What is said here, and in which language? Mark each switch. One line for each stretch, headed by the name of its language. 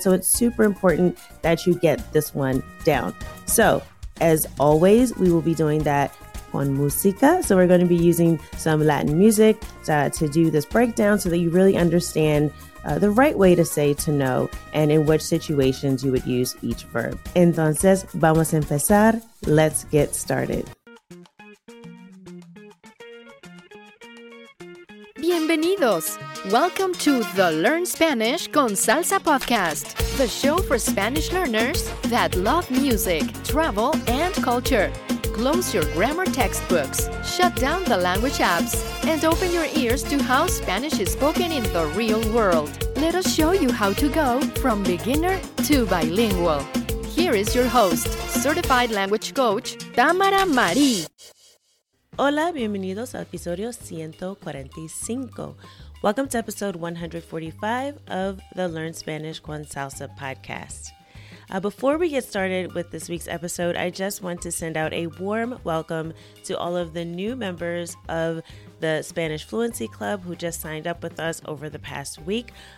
English: So it's super important that you get this one down. So as always, we will be doing that
Spanish: con música.
English: So we're going to be using some Latin music to do this breakdown so that you really understand the right way to say to know and in which situations you would use each verb.
Spanish: Entonces, vamos a empezar.
English: Let's get started.
Spanish: Bienvenidos.
English: Welcome to the Learn Spanish con Salsa podcast, the show for Spanish learners that love music, travel, and culture. Close your grammar textbooks, shut down the language apps, and open your ears to how Spanish is spoken in the real world. Let us show you how to go from beginner to bilingual. Here is your host, certified language coach, Tamara Marie.
Spanish: Hola, bienvenidos al episodio 145.
English: Welcome to episode 145 of the Learn Spanish con Salsa podcast. Before we get started with this week's episode, I just want to send out a warm welcome to all of the new members of the Spanish Fluency Club who just signed up with us over the past week.